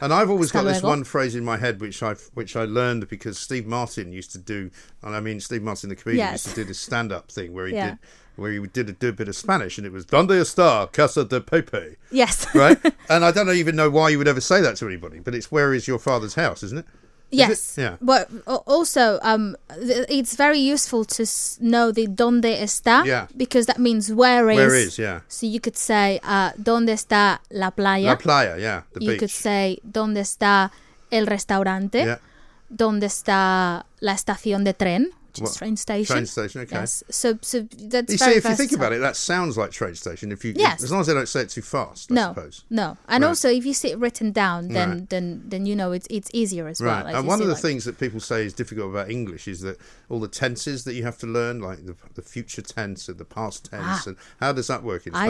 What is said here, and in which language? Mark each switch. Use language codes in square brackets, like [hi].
[en] and I've always got this one phrase in my head which I learned because Steve Martin used to do, and I mean Steve Martin the comedian, used to do this stand-up thing where he did a bit of Spanish and it was [es] ¿Dónde está Casa de Pepe? [en] Yes. Right? And I don't even know why you would ever say that to anybody, but it's where is your father's house, isn't it? Yes, but also it's very useful to know the [es] ¿dónde está? [en] Yeah. Because that means where is. Where is, So you could say [es] ¿dónde está la playa? La playa, the [en] beach. You could say [es] ¿dónde está el restaurante? [en] Yeah. [es] ¿Dónde está la estación de tren? [en] Which is train station. Train station, okay. Yes. So that's you very see, if you think about it, that sounds like train station. If you, as long as they don't say it too fast, no, I suppose. No. And also, if you see it written down, then you know it's easier as right. well. And one of the things that people say is difficult about English is that all the tenses that you have to learn, like the future tense and the past tense, and how does that work in Spanish?